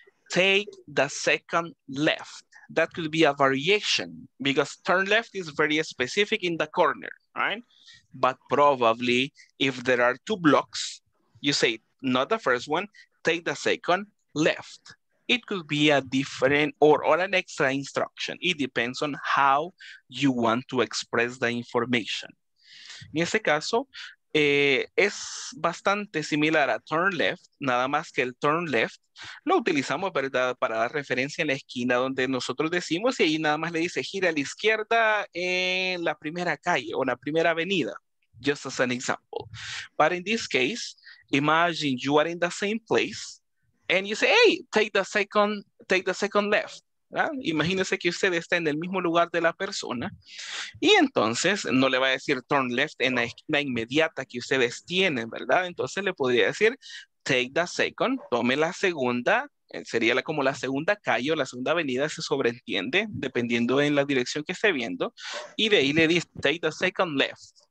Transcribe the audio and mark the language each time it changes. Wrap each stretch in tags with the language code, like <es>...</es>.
<en>Take the second left. That could be a variation because turn left is very specific in the corner, right? But probably if there are two blocks, you say not the first one, take the second left. It could be a different or an extra instruction. It depends on how you want to express the information.</en> <es>In ese caso, es bastante similar a turn left, nada más que el turn left lo utilizamos, ¿verdad?, para dar referencia en la esquina donde nosotros decimos, y ahí nada más le dice gira a la izquierda en la primera calle o la primera avenida,</es> <en>just as an example. But in this case, imagine you are in the same place and you say, hey, take the second left,</en> <es>¿verdad? Imagínese que usted está en el mismo lugar de la persona y entonces no le va a decir turn left en la esquina inmediata que ustedes tienen, ¿verdad? Entonces le podría decir take the second, tome la segunda, sería como la segunda calle o la segunda avenida, se sobreentiende dependiendo en la dirección que esté viendo, y de ahí le dice</es> <en>take the second left.</en>